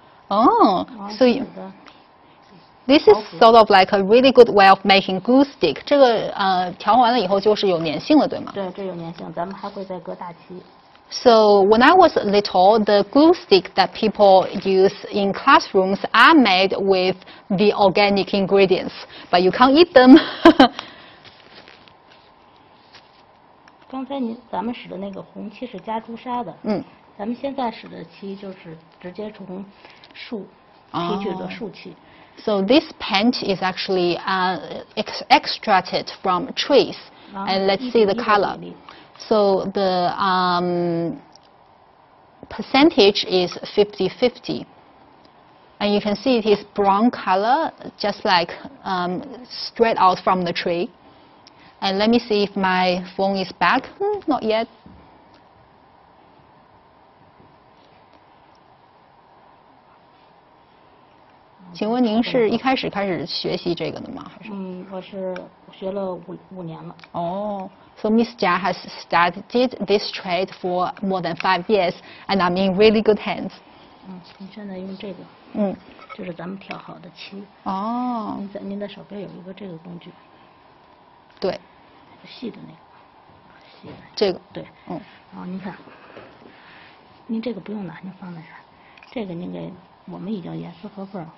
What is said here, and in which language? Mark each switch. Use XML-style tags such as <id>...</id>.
<en>Oh, so this is sort of like a really good way of making glue stick.</en> <zh>这个调完了以后就是有粘性了，对吗？对，这有粘性，咱们还会再搁大漆。</zh> <en>So when I was little, the glue stick that people use in classrooms are made with the organic ingredients, but you can't eat them.</en> <zh>刚才您咱们使的那个红漆是加朱砂的。嗯。咱们现在使的漆就是直接从树提取的树漆。</zh> <en>So this paint is actually extracted from trees, and let's see the color. So the percentage is 50-50, and you can see it is brown color, just like straight out from the tree. And let me see if my phone is back. Not yet. Mm-hmm.</en> <zh>请问您是一开始开始学习这个的吗？嗯，我是学了五年了。哦。</zh> <en>So Miss Jia has studied this trade for more than 5 years, and I'm in really good hands.</en> <zh>嗯，您现在用这个，嗯，就是咱们调好的漆。哦。您的手边有一个这个工具。对。细的那个。细的。这个。对。嗯。然后您看，您这个不用拿，您放在这儿。这个您给我们已经严丝合缝，</zh>